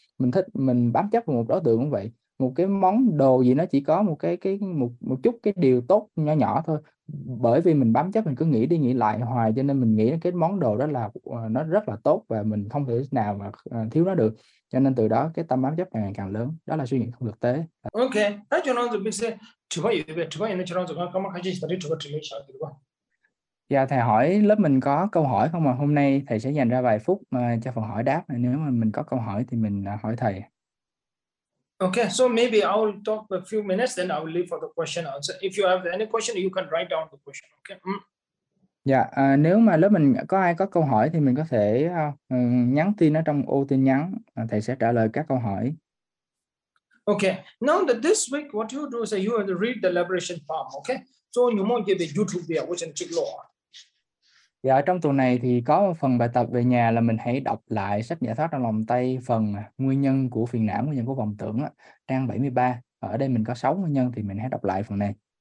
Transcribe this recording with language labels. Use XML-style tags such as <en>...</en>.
<vi>Mình thích, mình bám chấp vào một đối tượng cũng vậy, một cái món đồ gì nó chỉ có một cái một một chút cái điều tốt nhỏ nhỏ thôi, bởi vì mình bám chấp, mình cứ nghĩ đi nghĩ lại hoài, cho nên mình nghĩ cái món đồ đó là nó rất là tốt và mình không thể nào mà thiếu nó được, cho nên từ đó cái tâm bám chấp càng ngày càng lớn. Đó là suy nghĩ không thực tế. Ok, ta cho nó được biết sẽ chụp vào những cái chỗ nào có mà khai chi tới chụp vào trên sao được không? Dạ, thầy hỏi lớp mình có câu hỏi không ạ? Hôm nay thầy sẽ dành ra vài phút cho phần hỏi đáp, nếu mà mình có câu hỏi thì mình hỏi thầy.</vi> <en>Okay, so maybe I will talk for a few minutes, then I will leave for the question answer. If you have any question, you can write down the question. Okay.</en> <vi>Dạ, nếu mà lớp mình có ai có câu hỏi thì mình có thể nhắn tin ở trong ô tin nhắn, thầy sẽ trả lời các câu hỏi.</vi> <en>Okay. Now that this week, what you do is that you have to read the liberation palm. Okay. So you might get the YouTube video, which is check law.</en> <vi>Dạ, trong tuần này thì có một phần bài tập về nhà là mình hãy đọc lại sách Giải thoát trong lòng tay, phần nguyên nhân của phiền não, nguyên nhân của vọng tưởng, trang 73. Ở đây mình có 6 nguyên nhân thì mình hãy đọc lại phần này.</vi>